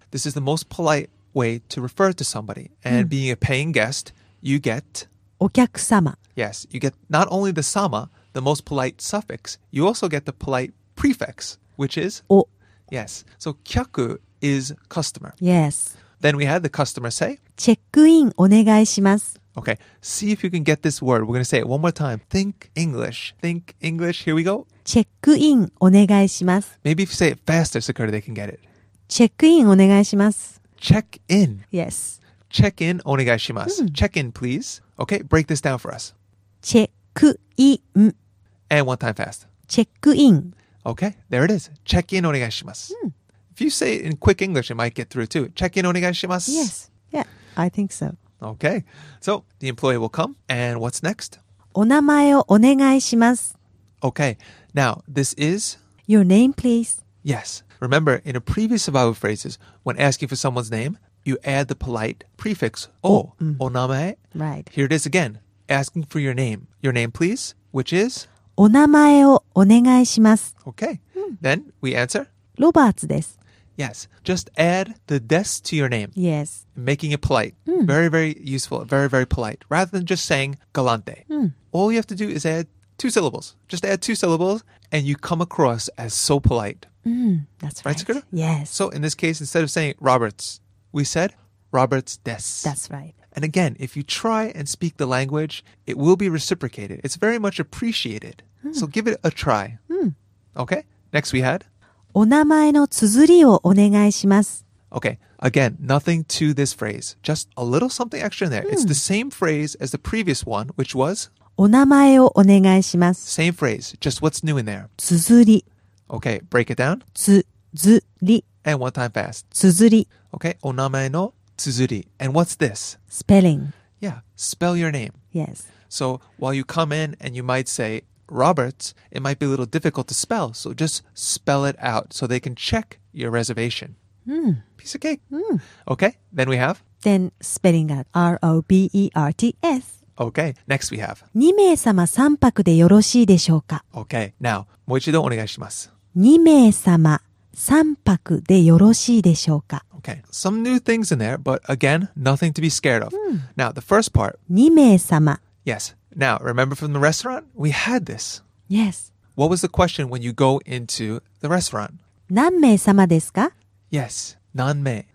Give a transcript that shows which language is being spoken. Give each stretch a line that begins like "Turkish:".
English: This is the most polite way to refer to somebody. And being a paying guest, you get...
Japanese: お客様.
English: Yes. You get not only the sama, the most polite suffix, you also get the polite prefix, which is...
Japanese: お.
English: Yes. So, 客 is customer. Yes. Then we had the customer say...
Japanese: チェックインお願いします.
English: Okay, see if you can get this word. We're going to say it one more time. Think English. Think English. Here we go. Check in,
Japanese: お願いします.
English: Maybe if you say it faster, Sakura, they can get it. Check in,
Japanese: お願いします.
English: Check in. Yes. Check in,
Japanese: お願いします.
English: Mm. Check in, please. Okay, break this down for us. Check in. And one time fast. Check in. Okay, there it is. Check in,
Japanese: お願いします.
English: Mm. If you say it in quick English, it might get through too. Check in,
Japanese: お願いします.
English: Yes. Yeah, I think so. Okay, so the employee will come, and what's next?
Japanese: お名前をお願いします。
English: Okay, now this is? Your name, please. Yes, remember in a previous survival phrases, when asking for someone's name, you add the polite prefix, お, お名前. Right. Here it is again, asking for your name please, which is?
Japanese: お名前をお願いします。
English: Okay, then we answer?
Japanese: ロバーツです。
English: Yes. Just add the des to your name. Yes. Making it polite. Mm. Very, very useful. Very, very polite. Rather than just saying galante. Mm. All you have to do is add two syllables. Just add two syllables and you come across as so polite. Mm. That's right. Right, Sakura? Yes. So in this case, instead of saying Roberts, we said Roberts des. That's right. And again, if you try and speak the language, it will be reciprocated. It's very much appreciated. Mm. So give it a try. Mm. Okay. Next we had.
Japanese: お名前の綴りをお願いします。
English: Okay, again, nothing to this phrase. Just a little something extra in there. Mm. It's the same phrase as the previous one, which was?
Japanese: お名前をお願いします。
English: Same phrase, just what's new in there?
Japanese: 綴り。
English: Okay, break it down.
Japanese: 綴り。
English: And one time fast.
Japanese: 綴り。 Okay, お名前の綴り。
English: And what's this? Spelling. Yeah, spell your name. Yes. So while you come in and you might say, Roberts, it might be a little difficult to spell, so just spell it out so they can check your reservation. Mm. Piece of cake. Mm. Okay, then we have? Then spelling out R-O-B-E-R-T-S. Okay, next we have?
Japanese: 2名様3泊でよろしいでしょうか?
English: Okay, now,
Japanese: もう一度お願いします。 2名様3泊でよろしいでしょうか?
English: Okay, some new things in there, but again, nothing to be scared of. Mm. Now, the first part.
Japanese: 2名様.
English: Yes. Now, remember from the restaurant? We had this. Yes. What was the question when you go into the restaurant?
Japanese: 何名様ですか?
English: Yes.
Japanese: 何名?